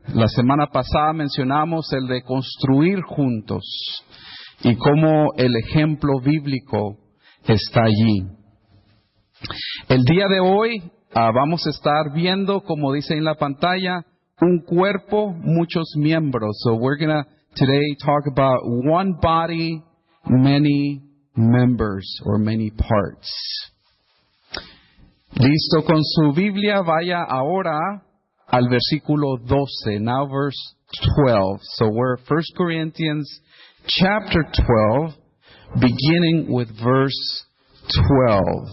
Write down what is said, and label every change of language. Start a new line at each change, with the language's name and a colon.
Spanish: La semana pasada mencionamos el de construir juntos y cómo el ejemplo bíblico está allí. El día de hoy vamos a estar viendo, como dice en la pantalla, un cuerpo, muchos miembros.
English: So we're going to today talk about one body, many members or many parts.
Spanish: Listo con su Biblia, vaya ahora al versículo 12,
English: now verse 12. So we're 1 Corinthians chapter 12, beginning with verse 12.